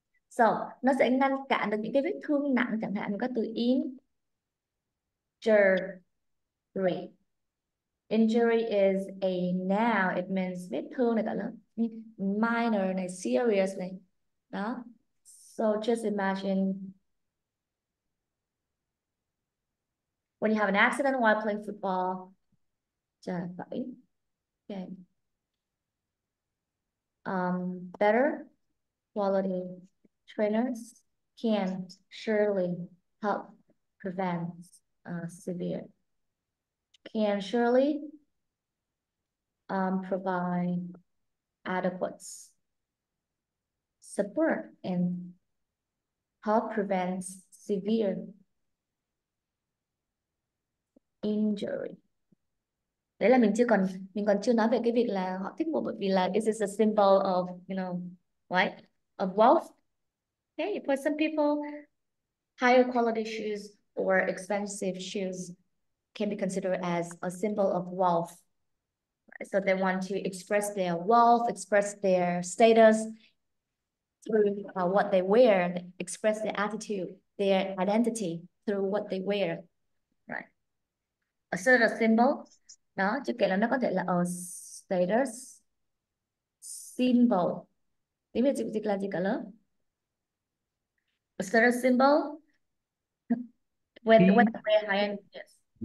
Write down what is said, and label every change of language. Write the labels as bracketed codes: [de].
[vi] So, nó sẽ ngăn cản được những cái vết thương nặng, chẳng hạn có từ injury. [en] Injury is a noun. It means [vi] vết thương này cả lớn. Minor này, serious này. Đó. [en] So, just imagine when you have an accident while playing football, [vi] trời phải, [en] okay, better quality trainers can surely help prevent severe. Can surely provide adequate support and help prevent severe injury. [vi] Đấy là mình còn chưa nói về cái việc là họ thích mua, bởi vì là [en] this is a symbol of, you know, right? Of wealth. Okay, for some people, higher quality shoes or expensive shoes can be considered as a symbol of wealth. So they want to express their wealth, express their status through what they wear, express their attitude, their identity through what they wear. Right. A sort of symbol. [vi] Đó, chứ kể là nó có thể là [en] a status symbol. [vi] Tiếng Việt dịch là gì cả lớp? [en] A status symbol when they wear high end, yes.